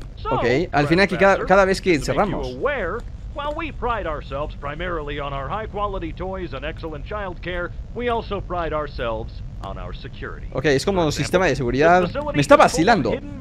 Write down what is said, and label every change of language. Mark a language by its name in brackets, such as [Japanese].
[Spanish] Ok, al final que cada vez que cerramos. [English] While we pride ourselves primarily on our high quality toys and excellent child care, we also pride ourselves on our security. [Spanish] Okay, es como un sistema de seguridad. Me está vacilando.